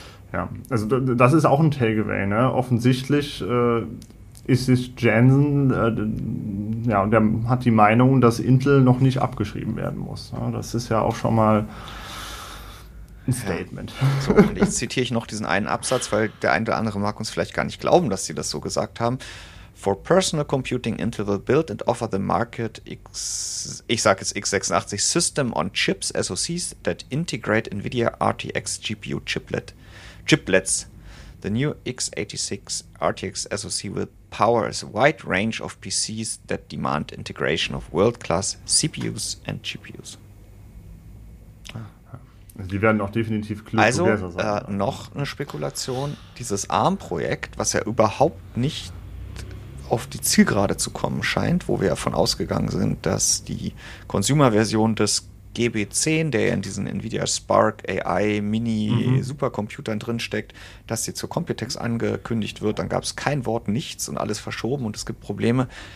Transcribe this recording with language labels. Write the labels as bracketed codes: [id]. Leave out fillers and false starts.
[de] Ja, also das ist auch ein Takeaway, ne? Offensichtlich ist es Jensen, der hat die Meinung, dass Intel noch nicht abgeschrieben werden muss. Ja, das ist ja auch schon mal ein Statement. Ja. So, und jetzt zitiere ich noch diesen einen Absatz, weil der ein oder andere mag uns vielleicht gar nicht glauben, dass sie das so gesagt haben. [en] For personal computing, Intel will build and offer the market x86 system on chips, SoCs, that integrate NVIDIA RTX GPU chiplets. The new x86 RTX SoC will power a wide range of PCs that demand integration of world-class CPUs and GPUs. [de] Also die werden auch definitiv klug also, besser sein. Also noch eine Spekulation, dieses ARM-Projekt, was ja überhaupt nicht auf die Zielgerade zu kommen scheint, wo wir davon ausgegangen sind, dass die Consumer-Version des GB10, der in diesen Nvidia Spark AI Mini Supercomputern drinsteckt, dass sie zur Computex angekündigt wird, dann gab es kein Wort, nichts und alles verschoben und es gibt Probleme.